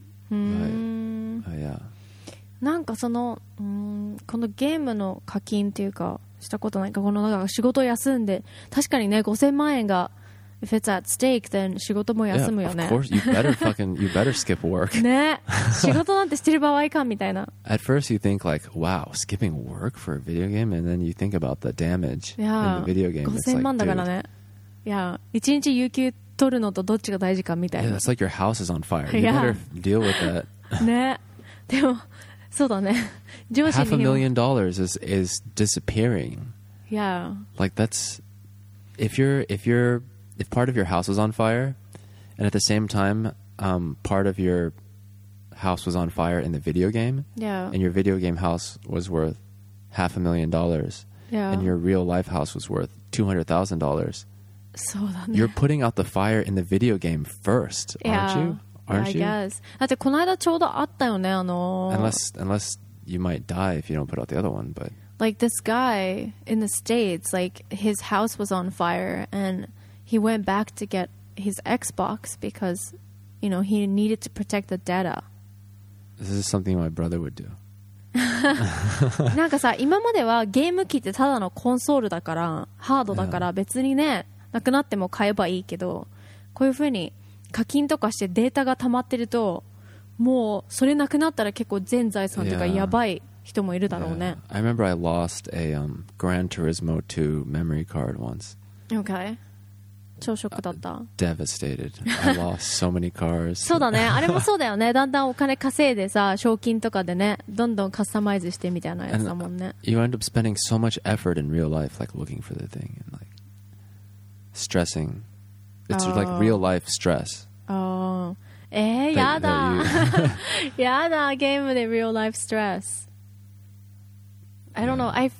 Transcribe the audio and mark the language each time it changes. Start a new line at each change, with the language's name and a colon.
English: But, yeah.
Japanese: なんかそのこのゲームの課金っていうかしたことないか、このなんか仕事休んで、確かにね、5000万円が
English: if it's at stake then
Japanese: 仕事も休むよね。
English: Yeah, of course you better fucking you better skip work.
Japanese: ね、仕事なんてしてる場合かみたいな。
English: At first you think like wow, skipping work for a video game, and then you think about the damage in the video game.
Japanese: 5000 万だからね。 Yeah, 1日有給取るのとどっちが大事かみたいな。
English: Yeah, it's like your house is on fire. You better deal with that.
Japanese: ね、でもそうだね、上司に。
English: $500,000 is disappearing. Yeah. Like that's, if part of your house was on fire, and at the same time, part of your house was on fire in the video game. Yeah. And your video game house was worth $500,000. Yeah. And your real life house was worth $200,000.
Japanese: そうだね。
English: You're putting out the fire in the video game first, aren't you?
Japanese: だってこの間ちょうどあったよね、あの。
English: Unless you might die if you don't put out the other one, but. Like this guy in the States, like his house was on fire and he went back to get his Xbox because, you know, he needed to protect the data. This is something my brother would do.
Japanese: なんかさ、今まではゲーム機ってただのコンソールだから、ハードだから別にね、なくなっても買えばいいけど、こういうふうに。課金とかしてデータが溜まってると、もうそれなくなったら結構全財産というかやばい人もいるだろうね。
English: I remember I lost a Gran Turismo 2 memory card once.
Japanese: Okay. 超ショックだった。
English: Devastated. I lost so many cars.
Japanese: そうだね、あれもそうだよね。だんだんお金稼いでさ、賞金とかでね、どんどんカスタマイズしてみたいなやつだもんね。
English: And you end up spending so much effort in real life, like looking for the thing and like stressing. It's like real life stress. Oh. Eh, yada. Yada, game with a real life stress. I don't know.